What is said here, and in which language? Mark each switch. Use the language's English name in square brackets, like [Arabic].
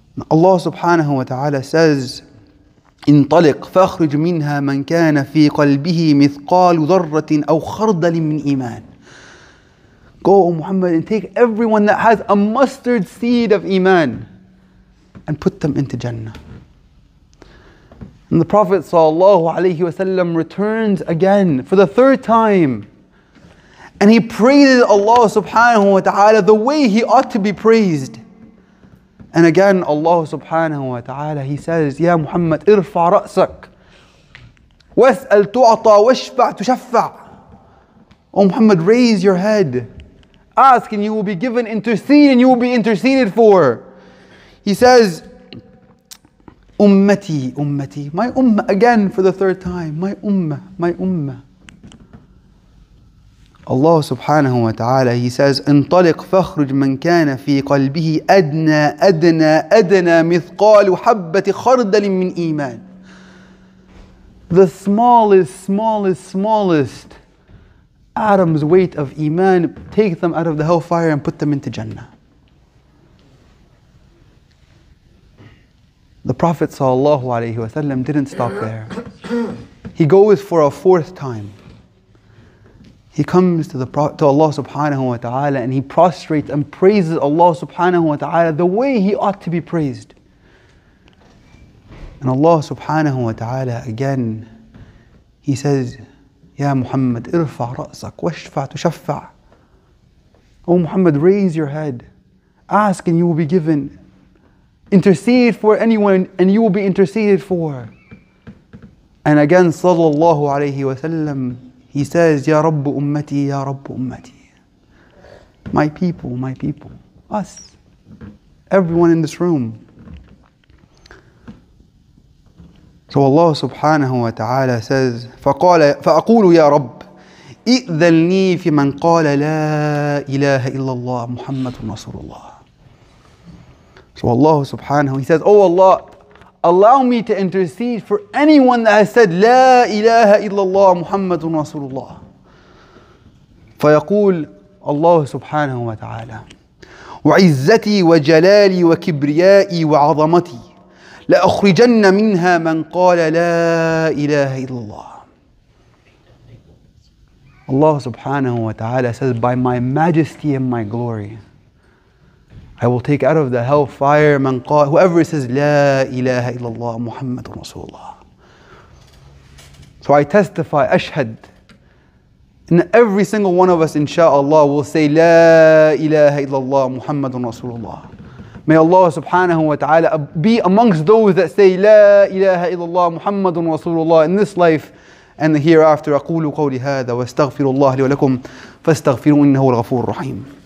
[English] Allah subhanahu wa ta'ala says, [Arabic] انطلق فاخرج منها من كان في قلبه مثقال ذرة أو خردل من إيمان. [English] Go, O Muhammad, and take everyone that has a mustard seed of Iman and put them into Jannah. And the Prophet sallallahu alayhi wa sallam returns again for the third time. And he praises Allah subhanahu wa ta'ala the way he ought to be praised. And again, Allah subhanahu wa ta'ala, he says, Ya Muhammad, [Arabic] ارفع رأسك واسأل تعطى واشفع تشفع. [English] O Muhammad, raise your head. Ask and you will be given, intercede and you will be interceded for. He says, [Arabic] أمتي أمتي. [English] My ummah, again for the third time. My ummah, my ummah. Allah subhanahu wa ta'ala, he says, [Arabic] انطلق فاخرج من كان في قلبه أدنى أدنى أدنى مثقال حبة خردل من إيمان. [English] The smallest, smallest, smallest atoms weight of Iman, take them out of the hellfire and put them into Jannah. The Prophet sallallahu alayhi wa sallam didn't stop there. He goes for a fourth time. He comes to Allah subhanahu wa ta'ala and he prostrates and praises Allah subhanahu wa ta'ala the way he ought to be praised. And Allah subhanahu wa ta'ala again, he says, Ya Muhammad, [Arabic] ارفع رأسك واشفع تشفع. [English] O Muhammad, raise your head. Ask and you will be given. Intercede for anyone and you will be interceded for. And again, sallallahu alayhi wa sallam, he says, Ya [Arabic] رب أمتي, [English] Ya [Arabic] رب أمتي. [English] My people, us, everyone in this room. So Allah subhanahu wa ta'ala says, [Arabic] فأقول يا رب إئذلني في من قال لا إله إلا الله محمد رسول الله. [English] So Allah subhanahu, he says, Oh Allah, allow me to intercede for anyone that has said [Arabic] لا إله إلا الله محمد رسول الله. فيقول الله سبحانه وتعالى وعزتي وجلالي وكبريائي وعظمتي لأخرجن منها من قال لا إله إلا الله. الله سبحانه وتعالى [English] says by my majesty and my glory I will take out of the hellfire [Arabic] من قال [English] whoever says [Arabic] لا إله إلا الله محمد رسول الله. [English] So I testify, [Arabic] أشهد, [English] and every single one of us, inshallah, will say [Arabic] لا إله إلا الله محمد رسول الله. [English] May Allah subhanahu wa ta'ala be amongst those that say [Arabic] لا إله إلا الله محمد رسول الله [English] in this life and the hereafter. [Arabic] أقول قولي هذا واستغفر الله لي ولكم فاستغفروا إنه الغفور الرحيم.